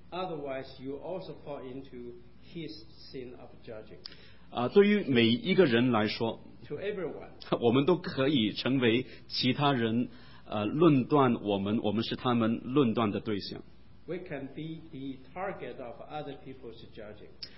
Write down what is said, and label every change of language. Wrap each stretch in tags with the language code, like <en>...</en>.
<en>Otherwise, you also fall into his sin of judging.</en> <zh>对于每一个人来说，</zh> <en>to everyone,</en> <zh>我们都可以成为其他人论断我们是他们论断的对象。</zh> <en>We can be the target of other people's judging.</en>